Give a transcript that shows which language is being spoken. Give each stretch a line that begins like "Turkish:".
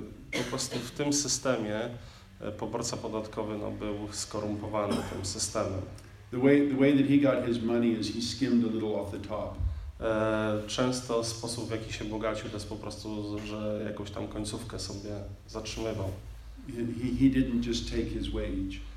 Polish: Po prostu w tym systemie poborca podatkowy był skorumpowany tym systemem.
English: The way that he got his money is he skimmed a little off the top.
Polish: Często sposób, w jaki się bogacił, to jest po prostu, że jakąś tam końcówkę sobie zatrzymywał.
English: He didn't just take his wage.